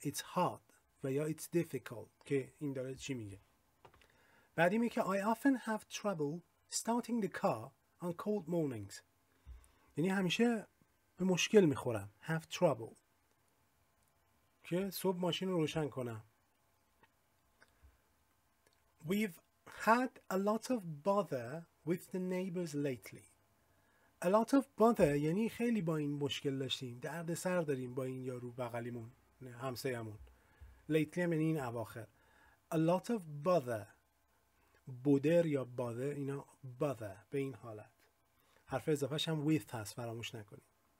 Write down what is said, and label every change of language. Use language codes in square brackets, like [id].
[en] it's hard [fa] و یا [en] it's difficult [fa] که این داره چی میگه. بعدی میگه [en] I often have trouble starting the car on cold mornings. [fa] یعنی همیشه به مشکل میخورم [en] have trouble [fa] که صبح ماشین رو روشن کنم. [en] We've had a lot of bother with the neighbors lately. a lot of bother [fa] یعنی خیلی با این مشکل داشتیم، درد سر داریم با این یارو بغلیمون، همسایه‌مون. lately هم یعنی این اواخر. [en] a lot of bother، [fa] بودر یا bother، اینا bother به این حالت. حرف اضافه‌ش هم with هست، فراموش نکنید.